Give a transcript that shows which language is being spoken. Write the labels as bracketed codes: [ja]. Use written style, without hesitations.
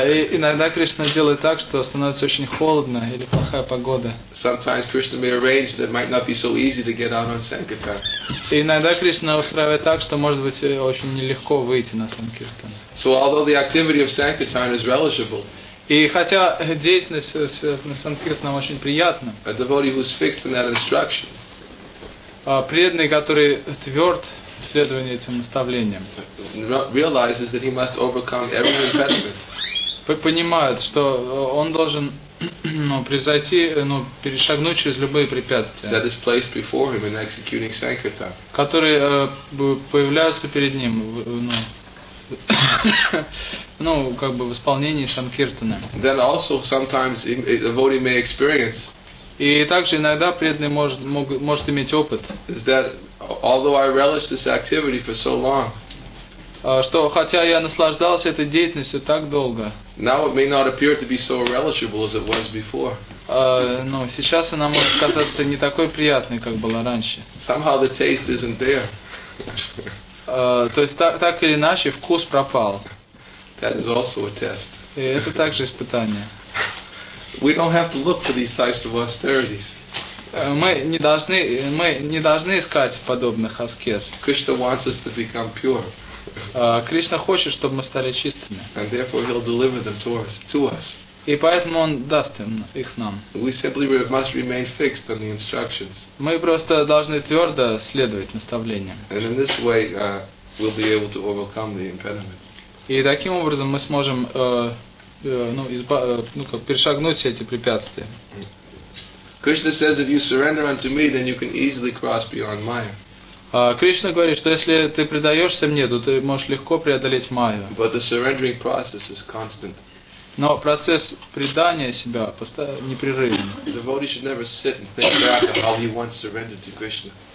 [ru] Иногда Кришна делает так, что становится очень холодно или плохая погода. [en] Sometimes Krishna may arrange that it might not be so easy to get out on sankirtan. [ru] Иногда Кришна устраивает так, что может быть очень нелегко выйти на санкиртан. [en] So although the activity of sankirtan is relishable. [ru] И хотя деятельность, связанная с санкиртаном, очень приятна, [en] a devotee who's fixed in that instruction, [ru] преданный, который тверд в следовании этим наставлениям, [en] realizes that he must overcome every impediment. [ru] Понимает, что он должен превзойти, перешагнуть через любые препятствия, [en] that is placed before him in executing sankirtan. [ru] Которые появляются перед ним, в исполнении санкиртаны. [en] Then also sometimes a devotee may experience. [ru] И также иногда преданный может иметь опыт. [en] Is that although I relished this activity for so long? [ru] Что хотя я наслаждался этой деятельностью так долго. [en] Now it may not appear to be so relishable as it was before. [ru] Сейчас она может казаться не такой приятной, как была раньше. [en] Somehow the taste isn't there. [ru] То есть так или иначе вкус пропал. [en] That is also a test. [ru] И это также испытание. [en] We don't have to look for these types of austerities. [ru] Мы не должны искать подобных аскез. [en] Krishna wants us to become pure. [ru] Кришна хочет, чтобы мы стали чистыми. [en] And therefore he'll deliver them to us. [ru] И поэтому он даст их нам. [en] We simply must remain fixed on the instructions. [ru] Мы просто должны твердо следовать наставлениям. [en] And in this way, we'll be able to overcome the impediments. [ru] И таким образом мы сможем перешагнуть эти препятствия. [en] Krishna says, if you surrender unto me, then you can easily cross beyond Maya. [ru] Кришна говорит, что если ты предаешься мне, то ты можешь легко преодолеть майю. [en] But the surrendering process is constant. [ru] Но процесс предания себя непрерывен. [en] Devotee should never sit and think back of how he once surrendered to Krishna.